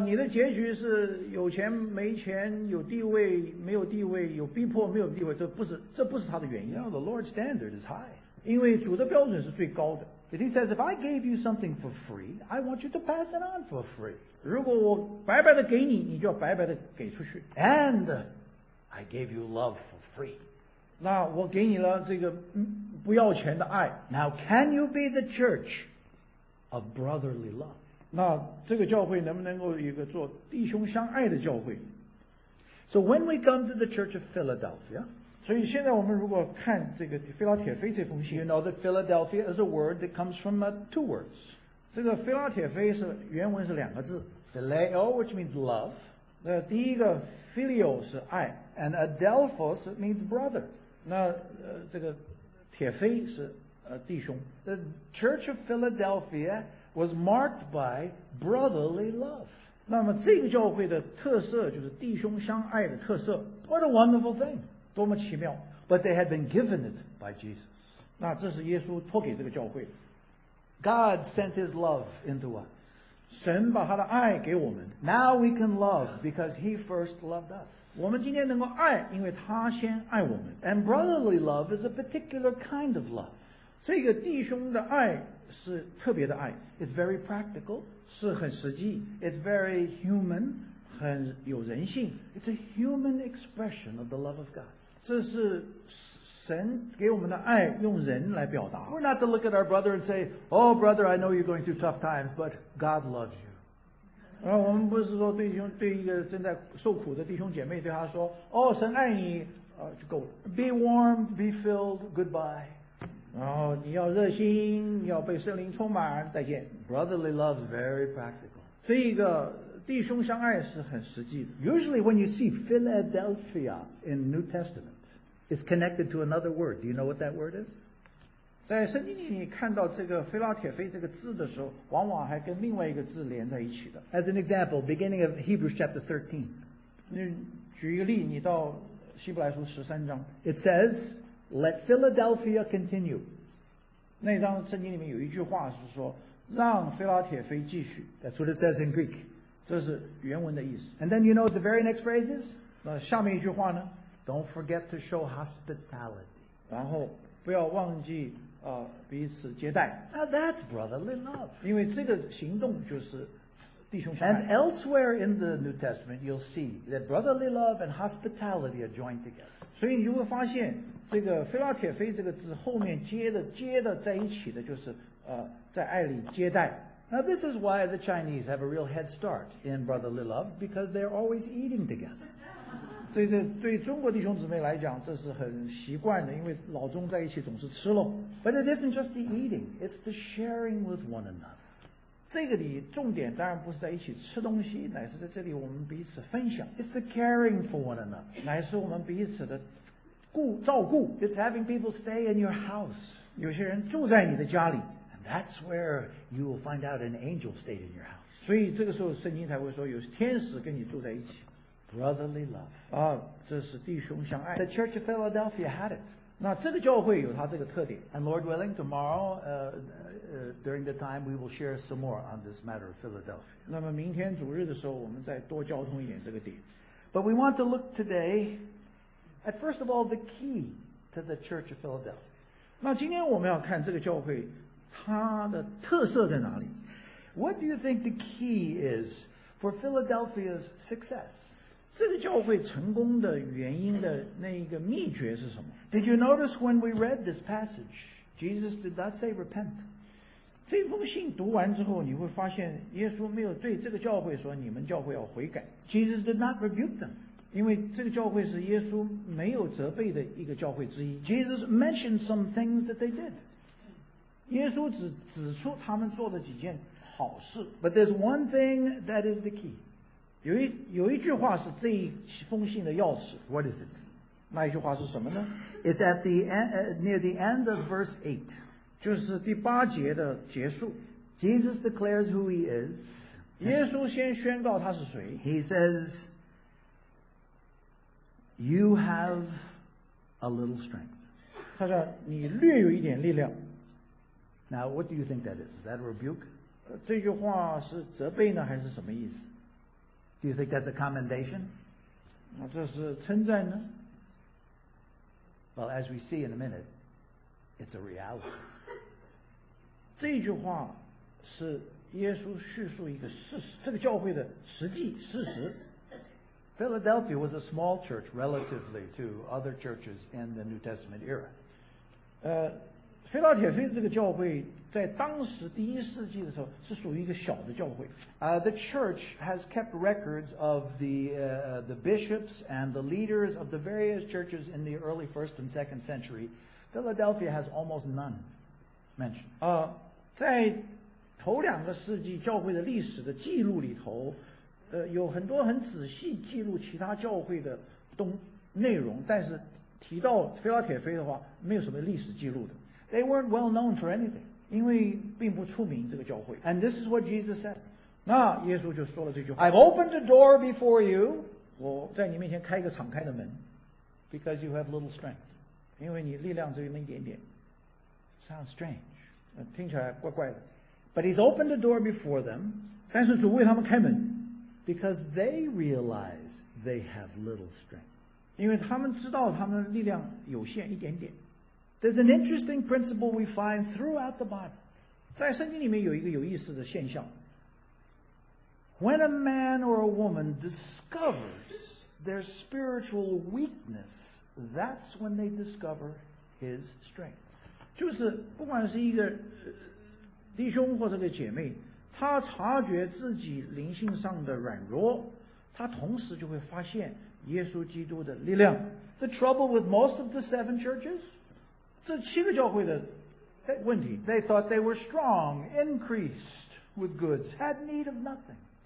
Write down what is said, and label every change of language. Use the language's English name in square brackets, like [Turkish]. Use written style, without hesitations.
[Chinese] 你的结局是有钱没钱，有地位没有地位，有逼迫没有逼迫，这不是他的原因。 [English] No, the Lord's standard is high. [Chinese] 因为主的标准是最高的。 [English] And he says, if I gave you something for free, I want you to pass it on for free. [Chinese] 如果我白白的给你，你就要白白的给出去。 [English] And I gave you love for free. [Chinese] 那我给你了这个不要钱的爱。 [English] Now can you be the church of brotherly love? [Chinese] 那这个教会能不能够一个做弟兄相爱的教会？ [English] So when we come to the church of Philadelphia, [Chinese] 所以现在我们如果看这个腓拉铁非这封信， [English] you know that Philadelphia is a word that comes from two words. [Chinese] 这个腓拉铁非是原文是两个字 [English] ，phileo, which means love. [Chinese] 那第一个 phileo 是爱 [English] ，and adelphos means brother. [Chinese] 那这个铁非是弟兄。 [English] The Church of Philadelphia was marked by brotherly love. [Chinese] 那么这个教会的特色就是弟兄相爱的特色。 [English] What a wonderful thing! [Chinese] 多么奇妙 [English] ！But they had been given it by Jesus. [Chinese] 那这是耶稣托给这个教会的。 [English] God sent His love into us. [Chinese] 神把他的爱给我们。 [English] Now we can love because He first loved us. [Chinese] 我们今天能够爱，因为他先爱我们。 [English] And brotherly love is a particular kind of love. [Chinese] 这个弟兄的爱是特别的爱。 [English] It's very practical. [Chinese] 是很实际。 [English] It's very human. [Chinese] 很有人性。 [English] It's a human expression of the love of God. [Chinese] 这是神给我们的爱，用人来表达。 [English] We're not to look at our brother and say, "Oh, brother, I know you're going through tough times, but God loves you." [Chinese] 然后我们不是说对弟兄对一个正在受苦的弟兄姐妹对他说，哦，神爱你，就够了。 [English] Be warm, be filled, goodbye. [Chinese] 然后你要热心，要被圣灵充满，再见。 [English] Brotherly love is very practical. [Chinese] 这一个。弟兄相爱是很实际的。 [English] Usually when you see Philadelphia in New Testament, it's connected to another word. Do you know what that word is? [Chinese] 在圣经里你看到这个腓拉铁非这个字的时候，往往还跟另外一个字连在一起的。 [English] As an example, beginning of Hebrews chapter 13. [Chinese] 你举一个例，你到希伯来书十三章。 [English] It says, let Philadelphia continue. [Chinese] 那章圣经里面有一句话是说，让腓拉铁非继续。 [English] That's what it says in Greek. [Chinese] 这是原文的意思。 [English] And then you know what the very next phrase is? [Chinese] 那下面一句话呢？ [English] Don't forget to show hospitality. [Chinese] 然后不要忘记彼此接待。 [English] Now that's brotherly love. [Chinese] 因为这个行动就是弟兄相爱。 [English] And elsewhere in the New Testament, you'll see that brotherly love and hospitality are joined together. [Chinese] 所以你就会发现这个腓拉铁非这个字后面接的在一起的就是在爱里接待。 [English] Now this is why the Chinese have a real head start in brotherly love, because they're always eating together. [Chinese] 对对，对中国弟兄姊妹来讲，这是很习惯的，因为老中在一起总是吃喽。 [English] But it isn't just the eating, it's the sharing with one another. [Chinese] 这个里重点当然不是在一起吃东西，乃是在这里我们彼此分享。 [English] It's the caring for one another. [Chinese] 乃是我们彼此的照顾。 [English] It's having people stay in your house. [Chinese] 有些人住在你的家里。 [English] That's where you will find out an angel stayed in your house. [Chinese] 所以这个时候圣经才会说有天使跟你住在一起。 [English] Brotherly love. [Chinese] 这是弟兄相爱。 [English] The Church of Philadelphia had it. [Chinese] 那这个教会有它这个特点。 [English] And Lord willing, tomorrow, during the time, we will share some more on this matter of Philadelphia. [Chinese] 那么明天主日的时候我们再多交通一点这个点。 [English] But we want to look today at first of all the key to the Church of Philadelphia. [Chinese] 那今天我们要看这个教会它的特色在哪里？ [English] What do you think the key is for Philadelphia's success? [Chinese] 这个教会成功的原因的那一个秘诀是什么？ [English] Did you notice when we read this passage, Jesus did not say repent? [Chinese] 这封信读完之后，你会发现耶稣没有对这个教会说你们教会要悔改。 [English] Jesus did not rebuke them. [Chinese] 因为这个教会是耶稣没有责备的一个教会之一。 [English] Jesus mentioned some things that they did. [Chinese] 耶稣指出他们做的几件好事。 [English] But there's one thing that is the key. [Chinese] 有一句话是这一封信的钥匙。 [English] What is it? [Chinese] 那一句话是什么呢？ [English] It's at the near the end of verse 8. [Chinese] 就是第八节的结束。 [English] Jesus declares who he is. [Chinese] 耶稣先宣告他是谁。 [English] He says, you have a little strength. [Chinese] 他说你略有一点力量。 [English] Now, what do you think that is? Is that a rebuke? [Chinese] 这句话是责备呢，还是什么意思？ [English] Do you think that's a commendation? [Chinese] 这是称赞呢？ [English] Well, as we see in a minute, it's a reality. [Chinese] 这句话是耶稣叙述一个事实，这个教会的实际事实。 [English] Philadelphia was a small church relatively to other churches in the New Testament era. [Chinese] 腓拉铁菲这个教会在当时第一世纪的时候是属于一个小的教会。 [English] The church has kept records of the bishops and the leaders of the various churches in the early first and second century. Philadelphia has almost none mentioned. [Chinese] 在头两个世纪教会的历史的记录里头，有很多很仔细记录其他教会的内容，但是提到腓拉铁菲的话，没有什么历史记录的。 [English] They weren't well known for anything. [Chinese] 因为并不出名这个教会。 [English] And this is what Jesus said. [Chinese] 那耶稣就说了这句话。 [English] I've opened the door before you. [Chinese] 我在你面前开一个敞开的门。 [English] Because you have little strength. [Chinese] 因为你力量只有那么一点点。 [English] Sounds strange. [Chinese] 听起来怪怪的。 [English] But he's opened the door before them. [Chinese] 但是主为他们开门。 [English] Because they realize they have little strength. [Chinese] 因为他们知道他们力量有限一点点。 [English] There's an interesting principle we find throughout the Bible. [Chinese] 在圣经里面有一个有意思的现象。 [English] When a man or a woman discovers their spiritual weakness, that's when they discover his strength. [Chinese] 就是不管是一个弟兄或者个姐妹，他察觉自己灵性上的软弱，他同时就会发现耶稣基督的力量。 [English] The trouble with most of the seven churches? [Chinese] 这七个教会的问题 [English] they thought they were strong, increased with goods, had need of nothing.